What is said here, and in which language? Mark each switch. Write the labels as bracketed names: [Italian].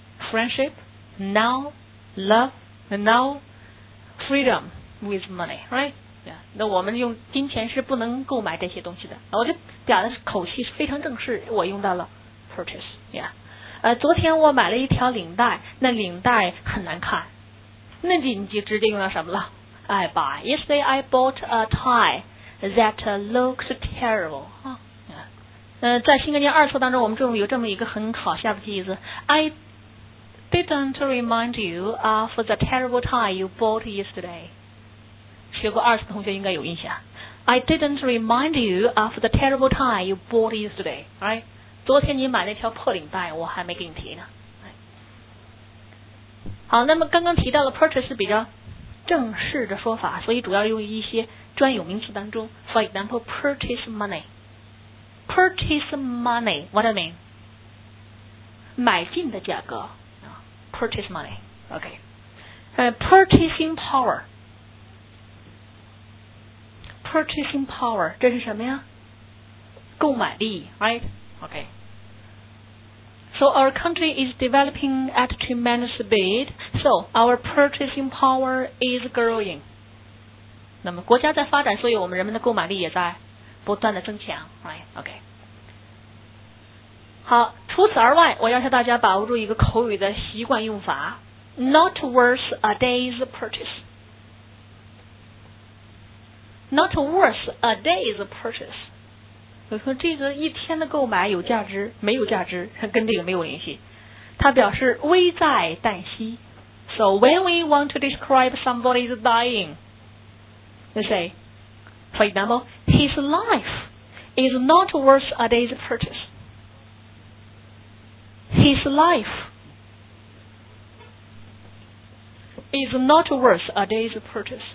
[English] Friendship, now love, and now freedom with money, right? Yeah. [Chinese] 那我们用金钱是不能购买这些东西的。我这表达口气是非常正式，我用到了 purchase. Yeah. 昨天我买了一条领带，那领带很难看。那你就直接用到什么了？ [English] I buy. Yesterday I bought a tie that looks terrible. Huh? [Chinese] 在新概念二册当中，我们这种有这么一个很好笑的句子 ，I. [English] Didn't remind you of the terrible tie you bought yesterday. [Chinese] 学过二次的同学应该有印象。 [English] I didn't remind you of the terrible tie you bought yesterday. Right? [Chinese] 昨天你买那条破领带，我还没给你提呢。好，那么刚刚提到了 purchase 是比较正式的说法，所以主要用于一些专有名词当中。 [English] For example, purchase money. Purchase money, what does it mean? [Chinese] 买进的价格。 [English] Purchase money, okay. Purchasing power. [Chinese] Purchasing power, 这是什么呀？购买力 [English] right? Okay. So our country is developing at tremendous speed. So our purchasing power is growing. [Chinese] 那么国家在发展，所以我们人们的购买力也在不断的增强 right? [English] Okay. [Chinese] 好，除此而外，我要求大家把握住一个口语的习惯用法 ， [English] not worth a day's purchase。 Not worth a day's purchase。 [Chinese] 我说这个一天的购买有价值，没有价值，跟这个没有联系。它表示危在旦夕。 [English] So when we want to describe somebody's dying, let's say, for example, his life is not worth a day's purchase. His life is not worth a day's purchase.